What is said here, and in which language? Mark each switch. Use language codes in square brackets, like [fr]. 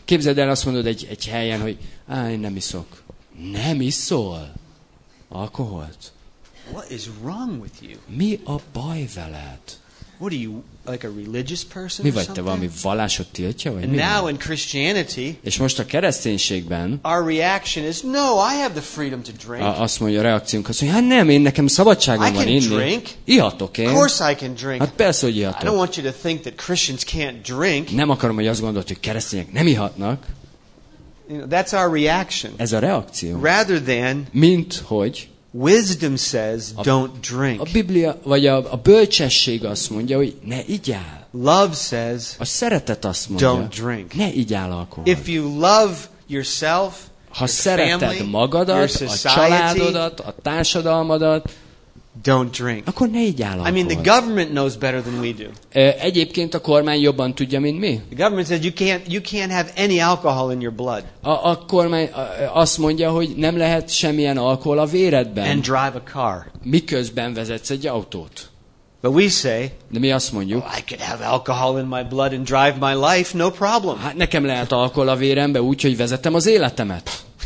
[hu] Képzeld el, azt mondod egy helyen, hogy én nem iszok. Nem iszol alkoholt. [en] What is wrong with you? [hu] Mi a baj veled? [en] What are you, like a religious person? [hu] Mi vagy te, valami vallásod tiltja, vagy [en] mi? Now in Christianity. [hu] És most a kereszténységben. [en] Our reaction is no, I have the freedom to drink. [hu] Azt mondja a reakciónk, hogy hát nem, én nekem szabadságom van inni. [en] I can drink. [hu] Ihatok én. [en] Of course I can drink. [hu] Hát persze, hogy ihatok. [en] I don't want you to think that Christians can't drink. [hu] Nem akarom, hogy azt gondolt, hogy keresztények nem ihatnak. [en] You know, that's our reaction. [hu] Ez a reakció. [en] Rather than. [hu] Mint hogy. [en] Wisdom says don't drink. [hu] A Biblia vagy a bölcsesség azt mondja, hogy ne igyál. [en] Love says [hu] a szeretet azt mondja, [en] don't drink. [hu] Ne igyál alkohol. [en] If you love yourself, [hu] ha szereted magadat, [en] your society, [hu] a családodat, a társadalmadat, [en] don't drink. [hu] Akkor ne igyál alkohol. [en] I mean the government knows better than we do. [hu] Egyébként a kormány jobban tudja, mint mi. [en] The government says you can't have any alcohol in your blood. [hu] A kormány azt mondja, hogy nem lehet semmilyen alkohol a véredben. [en] And drive a car. [hu] Miközben vezetsz egy autót. [en] But we say, [hu] de mi azt mondjuk, [en] oh, I could have alcohol in my blood and drive my life, no problem. [hu] Hát nekem lehet alkohol a vérembe, úgyhogy vezetem az életemet.